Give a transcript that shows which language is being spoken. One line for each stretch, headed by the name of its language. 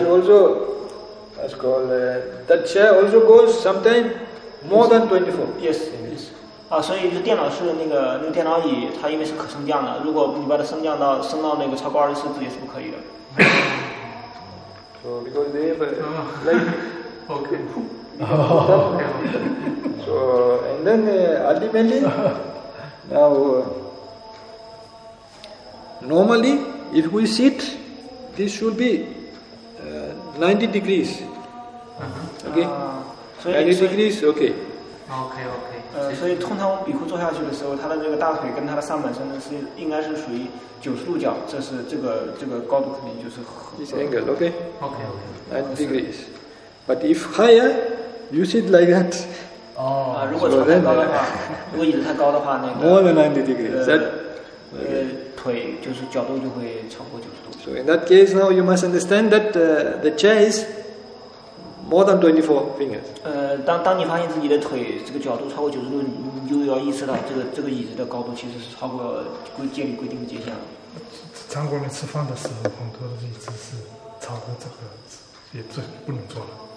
English: is also, that's called, that chair also goes sometimes more than 24. Yes, yes.
Chinese: 所以就电脑是那个电脑椅，它因为是可升降的，如果你把它升到那个超过24指也是不可以的。
English: So because they have okay. So and then ultimately Now, normally, if we sit, this should be 90 degrees. Uh-huh. Okay? 90 degrees, okay. Okay, okay.
Chinese: 所以通常我们比库坐下去的时候，他的这个大腿跟他的上半身呢是应该是属于九十度角，这是这个高度肯定就是这个 angle， OK，
English: OK， OK， 90 degrees， but if higher， you sit like that，哦、
Chinese: 啊，如果太高的话，如果椅子太高的话，那个
English: more than 90 degrees，
Chinese: 腿就是角度就会超过九十度。
English: So in that case now you must understand that the chair is more than 24 fingers.
Chinese: 当你发现自己的腿这个角度超过九十度，你就要意识到这个椅子的高度其实是超过规定的界限了。餐馆里吃饭的时候，很多的椅子是超过这个，也就不能坐了。